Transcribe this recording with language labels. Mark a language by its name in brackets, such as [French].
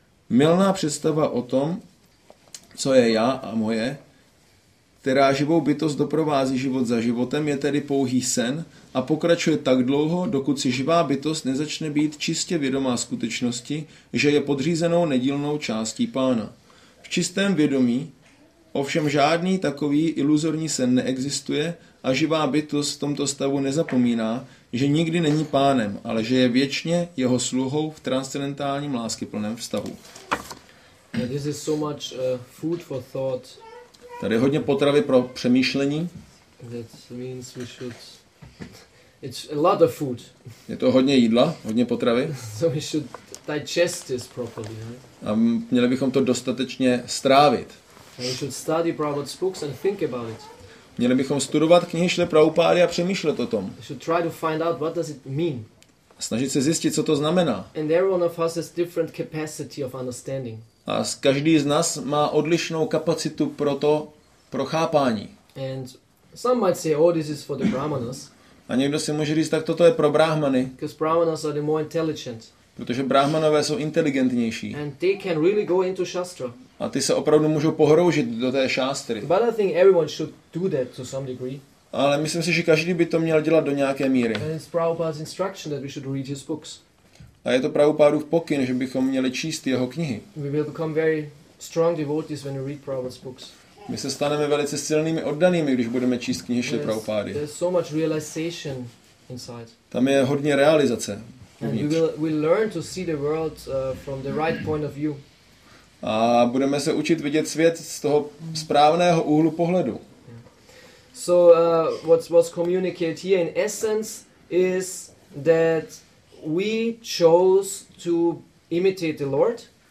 [Czech] Mylná představa o tom, co je já a moje, která živou bytost doprovází život za životem, je tedy pouhý sen a pokračuje tak dlouho, dokud si živá bytost nezačne být čistě vědomá skutečnosti, že je podřízenou nedílnou částí pána. V čistém vědomí ovšem žádný takový iluzorní sen neexistuje a živá bytost v tomto stavu nezapomíná, že nikdy není pánem, ale že je věčně jeho sluhou v transcendentálním láskyplném vztahu. [English] This is so much food for thought. [Czech] Tady je hodně potravy pro přemýšlení. [English] That means we should... It's a lot of food. [Czech] Je to hodně jídla, hodně potravy. [English] So we should digest this properly, right? [Czech] A měli bychom to dostatečně strávit. [English] And we should study Prabhupada's books and think about it. [Czech] Měli bychom studovat knihy Šile Prabhupády a přemýšlet o tom. [English] We should try to find out what does it mean. [Czech] Snažit se zjistit, co to znamená. [English] And every one of us has different capacity of understanding. [Czech] A každý z nás má odlišnou kapacitu pro to, pro chápání. [English] And some might say, oh, this is for the brahmanas. [Czech] A někdo si může říct, tak toto je pro brahmany. [English] Because brahmanas are the more intelligent. [Czech] Protože brahmanové jsou inteligentnější. [English] And they can really go into shastra. [Czech] A ty se opravdu můžou pohroužit do té šástry. [English] But I think everyone should do that to some degree. [Czech] Ale myslím si, že každý by to měl dělat do nějaké míry. [English] And it's Prabhupada's instruction that we should read his books. [Czech] A je to Prabhupádův pokyn, že bychom měli číst jeho knihy. [English] We will become very strong devotees when we read Prabhupada's books. [Czech] My se staneme velice silnými oddanými, když budeme číst knihy Šily Prabhupády. [English] There's so much realization inside. [Czech] Tam je hodně realizace. [English] And we'll learn to see the world from the right point of view. [Czech] A budeme se učit vidět svět z toho správného úhlu pohledu. [English] So what was communicated here in essence is that we chose to imitate the Lord.